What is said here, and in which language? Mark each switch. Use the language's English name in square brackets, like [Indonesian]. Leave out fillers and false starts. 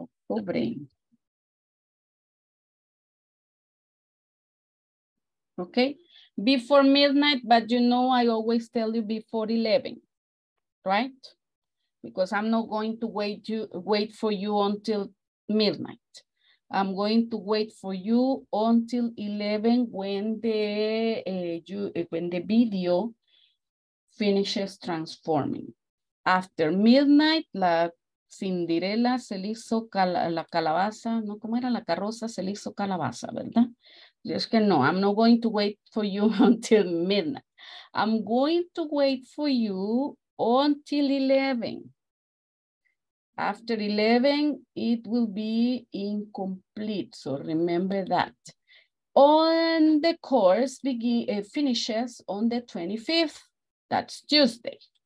[English] Okay, before midnight, but you know, I always tell you before 11, right? Because I'm not going to wait for you until midnight. I'm going to wait for you until 11 when the video finishes transforming. After midnight, [Spanish] la Cinderella se le hizo la calabaza, no, como era la carroza, se le hizo calabaza, ¿verdad? Es que no, [English] I'm not going to wait for you until midnight. I'm going to wait for you until 11. After 11, it will be incomplete. So remember that. on the course finishes on the 25th. That's Tuesday.